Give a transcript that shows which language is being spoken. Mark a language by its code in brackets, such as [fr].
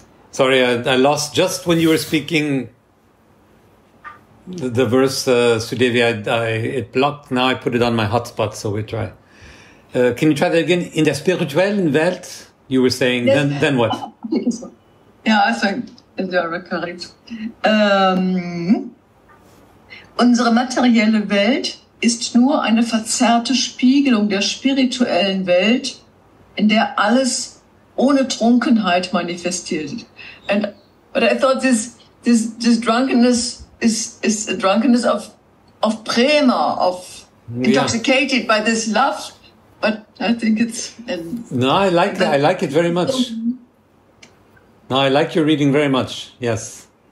[en] Sorry, I lost just when you were speaking the verse, Sudevi. It blocked, now I put it on my hotspot, so we try. Can you try that again? [de] In der spirituellen Welt, [en] you were saying, yes. then what? Yeah, I think you're correct. [de] Unsere materielle Welt ist nur eine verzerrte Spiegelung der spirituellen Welt, in der alles ohne Trunkenheit manifestiert. [en] But I thought this drunkenness is a drunkenness of prema, of intoxicated by this love. But I think it's... No, I like that. I like it very much. No, I like your reading very much, yes.